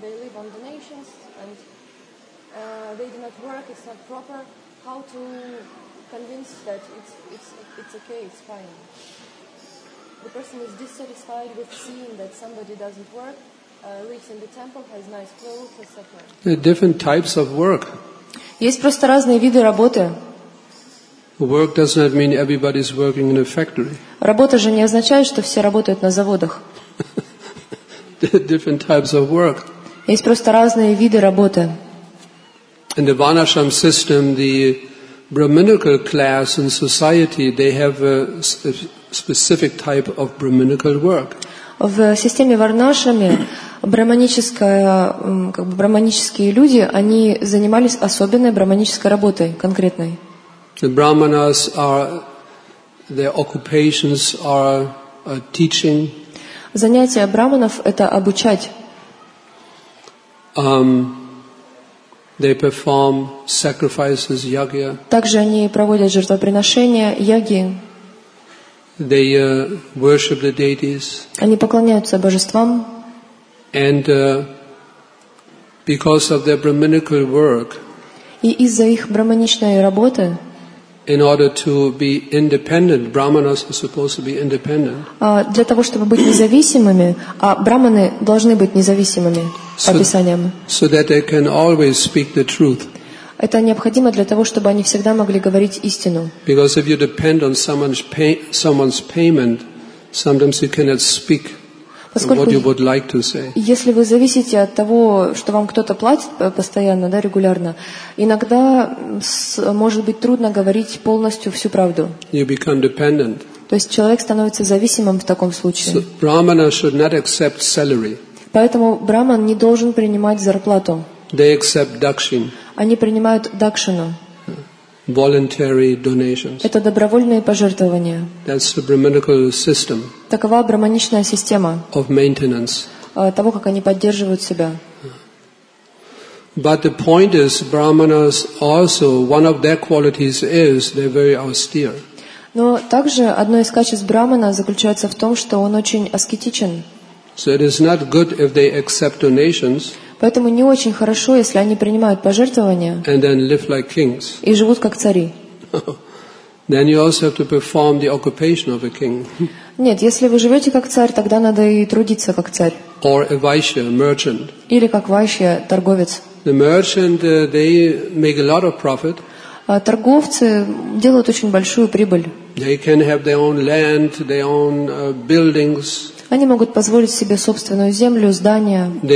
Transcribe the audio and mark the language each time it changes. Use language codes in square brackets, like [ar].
[en] They live on donations and they do not work. It's not proper. How to convince that it's okay, it's fine. The person is dissatisfied with seeing that somebody doesn't work, lives in the temple, has nice clothes, etc. There are different types of work. [ru] Есть просто разные виды работы. [en] Work does not mean everybody is working in a factory. [ru] Работа же не означает, что все работают на заводах. [en] Different types of work. [ru] Есть просто разные виды работы. [en] In the Varnashram system, the brahminical class in society, they have a specific type of brahminical work. [ru] В системе Варнашрама брахманические люди, они занимались особенной брахманической работой, конкретной. [en] The brahmanas their occupations are teaching. [ru] Занятия брахманов – это обучать. [en] They perform sacrifices, yagya. [ru] Также они проводят жертвоприношения, яги. [en] They worship the deities. [ru] Они поклоняются божествам. [en] And because of their brahminical work. [ru] И из-за их брахманичной работы. [en] In order to be independent, brahmanas are supposed to be independent. [ru] Для того чтобы быть независимыми, а брахманы должны быть независимыми по писаниям. [en] So that they can always speak the truth. [ru] Это необходимо для того, чтобы они всегда могли говорить истину. [en] Because if you depend on someone's payment, sometimes you cannot speak what you would like to say. [ru] Если вы зависите от того, что вам кто-то платит постоянно, да, регулярно, иногда может быть трудно говорить полностью всю правду. [en] You become dependent. [ru] То есть человек становится зависимым в таком случае. [en] So, brahmana should not accept salary. [ru] Поэтому брахман не должен принимать зарплату. [en] They accept dakshin. [ru] Они принимают дакшину. [en] Voluntary donations. [ru] Это добровольные пожертвования. [en] That's the brahminical system. [ru] Такова брахманичная система. [en] Of maintenance. [ru] Того, как они поддерживают себя. [en] But the point is, brahmanas also one of their qualities is they're very austere. [ru] Но также одно из качеств брахмана заключается в том, что он очень аскетичен. [en] So it is not good if they accept donations. [ru] Поэтому не очень хорошо, если они принимают пожертвования [en] and then live like kings. [ru] И живут как цари. [en] Then you also have to perform the occupation of a king. [ru] Нет, если вы живете как царь, тогда надо и трудиться как царь. [en] Or a vaishya, merchant. [ru] Или как вайшья, торговец. [en] The merchant, they make a lot of profit. [ru] Торговцы делают очень большую прибыль. [en] They can have their own land, their own buildings. [ru] Они могут позволить себе собственную землю, здания.